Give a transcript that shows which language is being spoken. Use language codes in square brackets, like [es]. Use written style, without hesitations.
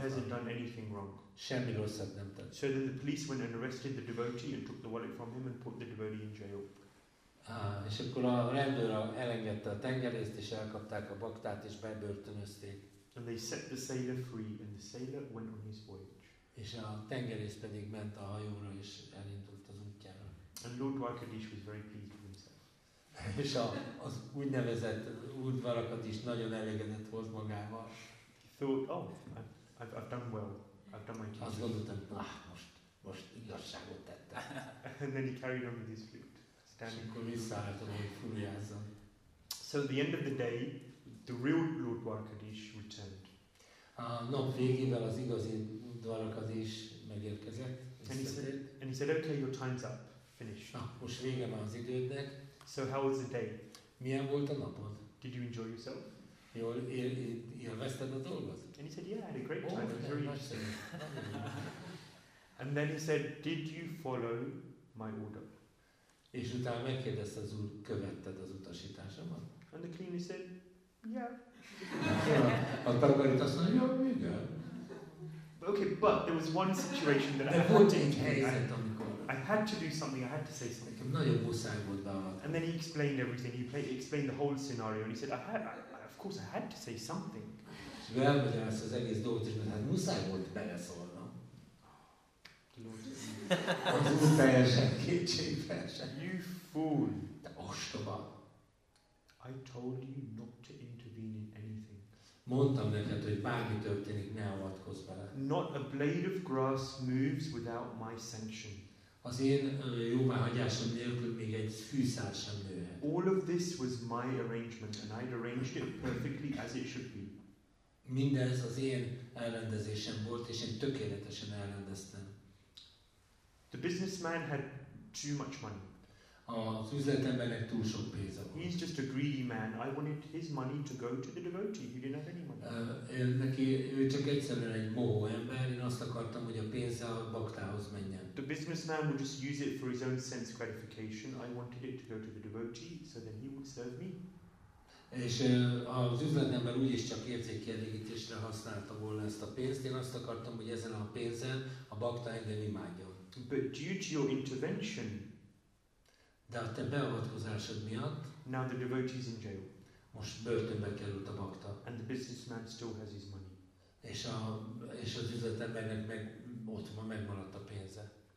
[en] He hasn't done anything wrong. [hu] Semmi rosszat nem tett. [en] So then the police went and arrested the devotee and took the wallet from him and put the devotee in jail. [hu] És akkor a rendőr elengedte a tengerészt, és elkapták a baktát, és bebörtönözték. [en] And they set the sailor free, and the sailor went on his voyage. [hu] És a tengerész pedig ment a hajóra, és elindult az útjára. [en] And Lord Varkadish was very pleased with himself. [hu] És az úgynevezett Úr Varkadish nagyon elégedett volt magával. [en] He thought, oh, I've done well. I've done my duty. [hu] Azt gondoltam, most igazságot tettem. [en] And then he carried on with his flute. Standing. [hu] És akkor visszaálltam, hogy fúriázzam. [en] So at the end of the day, the real Lord Varkadish returned. [hu] A nap végével az igazi Varkadish megérkezett. [en] And he said, okay, your time's up. Finish. [hu] Most vége van az idődnek. [en] So how was the day? [hu] Milyen volt a napod? [en] Did you enjoy yourself? [hu] Jól élvezted a dolgot? [en] And he said, yeah, I had a great time. It was very interesting. And then he said, did you follow my order? [hu] És utána megkérdezte az Úr, követted az utasításomat? [en] And the cleaner said, yeah. [hu] A takarítás nagyon jó, igen. [en] The Okay, but there was one situation that I had to I had to do something, I had to say something. [hu] Nagyon muszáj volt beavatkozni. [en] And then he explained everything, he explained the whole scenario, and he said, of course I had to say something. [hu] És ő elmagyarázta az egész dolgot, és mondta, hát muszáj volt beleszólnom. [en] The Lord is saying. [hu] Az teljesen kétségbeesett. [en] You fool. [hu] Te ostoba. [en] I told you not to intervene in anything. [hu] Mondtam neked, hogy bármi történik, ne avatkozz bele. [en] Not a blade of grass moves without my sanction. [hu] Az én jóváhagyásom nélkül még egy fűszál sem nőhet. [en] All of this was my arrangement, and I'd arranged it perfectly as it should be. [hu] Mindez az én elrendezésem volt, és én tökéletesen elrendeztem. [en] The businessman had too much money. [hu] Az üzletembernek túl sok pénze volt. [en] He's just a greedy man. I wanted his money to go to the devotee. He didn't have any money. [hu] Ő csak egyszerűen egy mohó ember. Én azt akartam, hogy a pénze a baktához menjen. [en] The businessman would just use it for his own sense gratification. I wanted it to go to the devotee, so then he would serve me. [hu] És az üzletember úgyis csak érzékkielégítésre használta volna ezt a pénzt. Én azt akartam, hogy ezen a pénzen a bakta engem imádjon. [en] But due to your intervention, [hu] de a te beavatkozásod miatt [en] now the devotee is in jail. [hu] Most börtönbe került a bakta. [en] And the businessman still has his money. [hu] És az üzletembernek meg ott van, megmaradt a pénze.